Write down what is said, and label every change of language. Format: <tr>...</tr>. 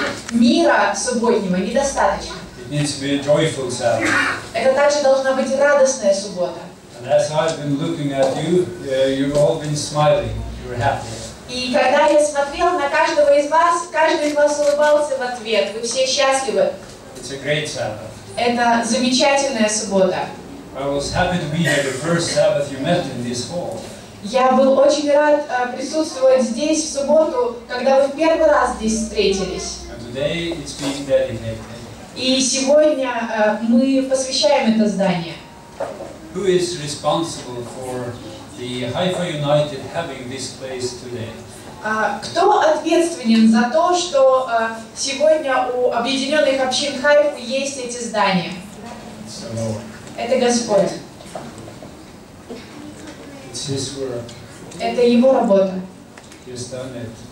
<ru>Мира субботнего недостаточно.</ru> <en>It needs to be a joyful Sabbath.</en> <ru>Это также должна быть радостная суббота.</ru> <en>And as I've been looking at you, you've all been smiling. You're happy.</en> <ru>И когда я смотрел на каждого из вас, каждый из вас улыбался в ответ. Вы все счастливы.</ru> <en>It's a great Sabbath.</en> <ru>Это замечательная суббота.</ru> <en>I was happy to be here the first Sabbath you met in this hall.</en> <ru>Я был очень рад присутствовать здесь в субботу, когда вы в первый раз здесь встретились.</ru> <en>And today it's being dedicated.</en> <ru>И сегодня мы посвящаем это здание.</ru> <en>Who is responsible for the Haifa United having this place today?</en> <ru>Кто ответственен за то, что сегодня у Объединенных общин Хайфа есть эти здания? Это Господь.</ru> <en>It's his work.</en> <ru>Это его работа.</ru> <en>He's done it.</en>